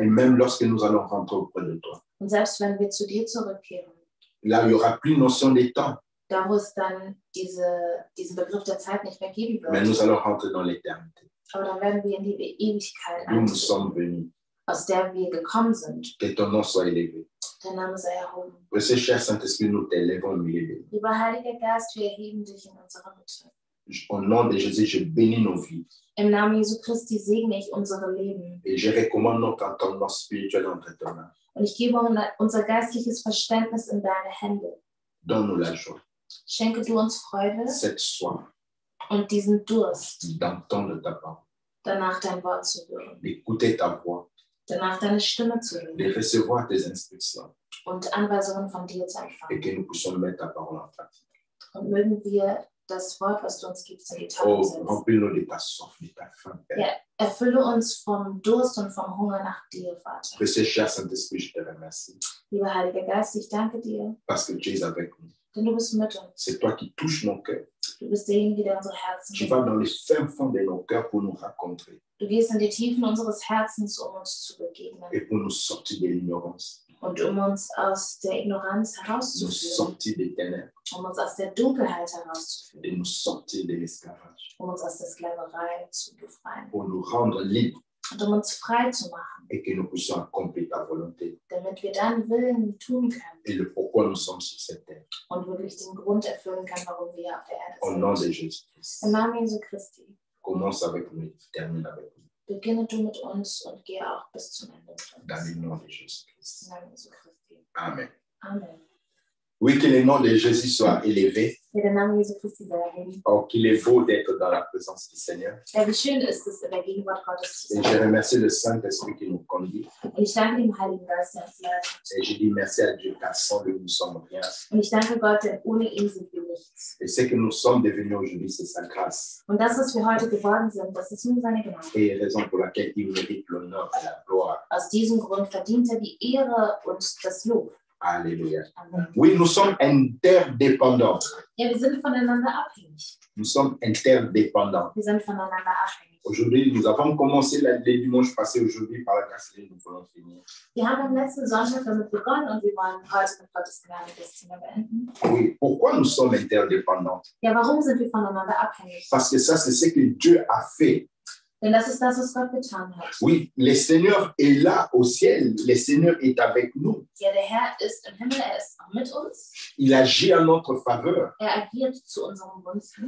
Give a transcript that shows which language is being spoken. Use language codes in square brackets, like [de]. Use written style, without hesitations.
[fr] Et même lorsque nous allons rentrer auprès de toi. [de] Und selbst wenn wir zu dir zurückkehren. [fr] Là, il n'y aura plus notion des temps. [de] Da wo es dann diesen Begriff der Zeit nicht mehr geben wird. [fr] Mais nous allons rentrer dans l'éternité. [de] Aber dann werden wir in die Ewigkeit eintreten. [fr] Nous sommes venus. [de] Aus der wir gekommen sind. [fr] Que ton nom soit élevé. [de] Dein Name sei erhoben. [fr] Que ce cher Saint-Esprit, nous t'élevons au milieu de nous. [de] Lieber Heiliger Geist, wir erheben dich in unserer Mitte. [fr] Au nom de Jésus, je bénis nos vies. [de] Im Namen Jesu Christi segne ich unsere Leben. [fr] Et je recommande notre entendement spirituel entre tes mains. [de] Und ich gebe unser geistliches Verständnis in deine Hände. [fr] Donne-nous la joie. [de] Schenke du uns Freude. [fr] Cette soif. [de] Und diesen Durst. [fr] D'entendre ta parole. [de] Danach dein Wort zu hören. [fr] D'écouter ta voix. [de] Danach deine Stimme zu hören. [fr] De recevoir tes instructions. [de] Und Anweisungen von dir zu empfangen. [fr] Et que nous puissions mettre ta parole en pratique. [de] Und mögen wir das Wort, was du uns gibst, in die Tat setzen. [fr] Oh, remplis-nous de ta soif, de ta faim. [de] Ja, erfülle uns vom Durst und vom Hunger nach dir, Vater. [fr] Précieux cher Saint-Esprit, je te remercie. [de] Lieber Heiliger Geist, ich danke dir. [fr] Parce que tu es avec nous. [de] Denn du bist mit uns. [fr] C'est toi qui touches mon cœur. [de] Du bist derjenige, der unsere Herzen berührt. [fr] Tu vas dans les fins fonds de nos cœurs pour nous rencontrer. [de] Du gehst in die Tiefen unseres Herzens, um uns zu begegnen. [fr] Et pour nous sortir de l'ignorance. [de] Und um uns aus der Ignoranz herauszuführen. [fr] Nous sortir des ténèbres. [de] Um uns aus der Dunkelheit herauszuführen. [fr] Et nous sortir de l'esclavage. [de] Um uns aus der Sklaverei zu befreien. [fr] Pour nous rendre libres. [de] Und um uns frei zu machen. [fr] Et que nous puissions accomplir ta volonté. [de] Damit wir deinen Willen tun können. [fr] Et le pourquoi nous sommes sur cette terre. [de] Und wirklich den Grund erfüllen können, warum wir auf der Erde sind. [fr] Au nom de Jésus Christ. [de] Im Namen Jesu Christi. [fr] Commence avec nous, termine avec nous. [de] Beginne du mit uns und gehe auch bis zum Ende. [fr] Dans le nom de Jésus Christ. [de] Im Namen Jesu Christi. Amen. Amen. [fr] Oui, que le nom de Jésus soit élevé. Que le nom de Jésus Christ soit élevé. Oh, qu'il est beau d'être dans la présence du Seigneur. [de] Ja, wie schön ist es, in der Gegenwart Gottes zu sein. [fr] Et je remercie le Saint-Esprit qui nous conduit. [de] Et ich danke dem Heiligen Geist, der uns leitet. [fr] Et je dis merci à Dieu, car sans lui, nous sommes rien. [de] Und ich danke Gott, denn ohne ihn sind wir nichts. [fr] Et ce que nous sommes devenus aujourd'hui, c'est sa grâce. [de] Und das, was wir heute geworden sind, das ist nur seine Gnade. [fr] Et raison pour laquelle il mérite l'honneur et la gloire. [de] Aus diesem Grund verdient er die Ehre und das Lob. Alléluia. [fr] Oui, nous sommes interdépendants. [de] Ja, wir sind voneinander abhängig. [fr] Nous sommes interdépendants. [de] Wir sind voneinander abhängig. [fr] Aujourd'hui, nous avons commencé le dimanche passé aujourd'hui par la grâce de Dieu, nous voulons finir. [de] Wir haben am letzten Sonntag damit begonnen und wir wollen heute mit Gottes Gnade das Thema beenden. [fr] Oui, pourquoi nous sommes interdépendants? [de] Ja, warum sind wir voneinander abhängig? [fr] Parce que ça, c'est ce que Dieu a fait. [de] Denn das ist das, was Gott getan hat. [fr] Oui, le Seigneur est là au ciel. Le Seigneur est avec nous. [de] Ja, der Herr ist im Himmel, er ist auch mit uns. [fr] Il agit en notre faveur. [de] Er agiert zu unserem Gunsten.